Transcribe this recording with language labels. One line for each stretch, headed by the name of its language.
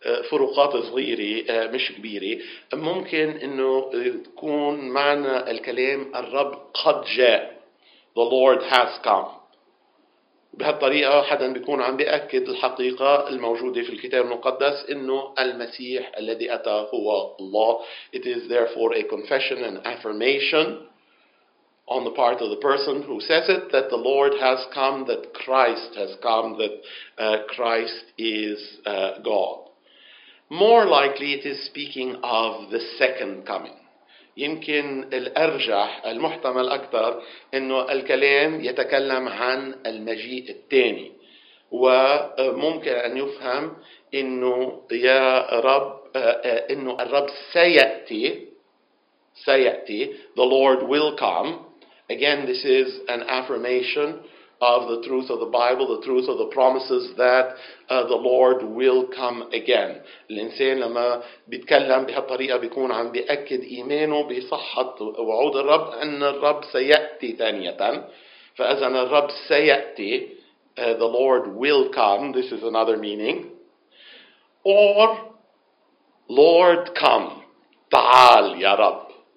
Arabic: فروقات صغيرة مش كبيرة. ممكن انه تكون معنى الكلام الرب قد جاء.
English: The Lord has come.
Arabic: بهالطريقة حدا بيكون عم بيأكد الحقيقة الموجودة في الكتاب المقدس انه المسيح الذي أتى هو الله.
English: It is therefore a confession and affirmation on the part of the person who says it, that the Lord has come, that Christ has come, that Christ is God. More likely it is speaking of the second coming.
Arabic: يمكن الأرجح المحتمل أكثر إنه الكلام يتكلم عن المجيء الثاني وممكن أن يفهم إنه يا رب إنه الرب سيأتي
English: the Lord will come. Again, this is an affirmation of the truth of the Bible, the truth of the promises that the Lord will come again.
Arabic: الإنسان لما بيتكلم بهالطريقة بيكون عم بيأكد إيمانه بصحة وعود الرب أن الرب سيأتي ثانية. فإذا الرب سيأتي,
English: the Lord will come, this is another meaning. Or, Lord come,
Arabic: تعال يا رب.